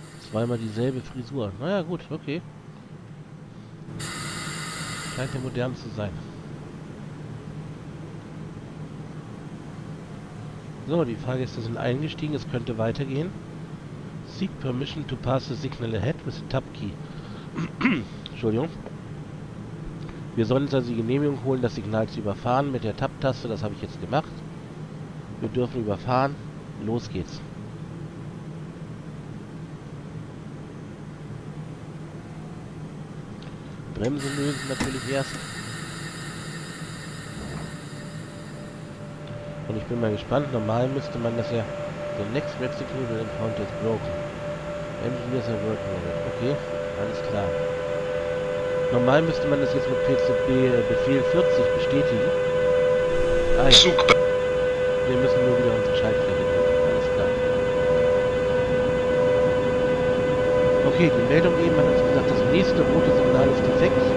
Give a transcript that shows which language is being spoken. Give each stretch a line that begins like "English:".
German: Zweimal dieselbe Frisur. Naja, gut, okay. Scheint ja modern zu sein. So, die Fahrgäste sind eingestiegen. Es könnte weitergehen.
English: Seek permission to pass the signal ahead with the tab key.
German: Entschuldigung. Wir sollen uns also die Genehmigung holen, das Signal zu überfahren mit der Tab-Taste. Das habe ich jetzt gemacht. Wir dürfen überfahren. Los geht's. Bremse lösen natürlich erst. Und ich bin mal gespannt. Normal müsste man das ja...
English: The next Mexico will encounter is broken. Engineers are working on it.
German: Okay, alles klar. Normal müsste man das jetzt mit PZB Befehl 40 bestätigen. Ah, ja. Wir müssen nur wieder unsere Schaltfläche nehmen. Alles klar. Okay, die Meldung eben hat uns gesagt, das nächste rote Signal ist defekt.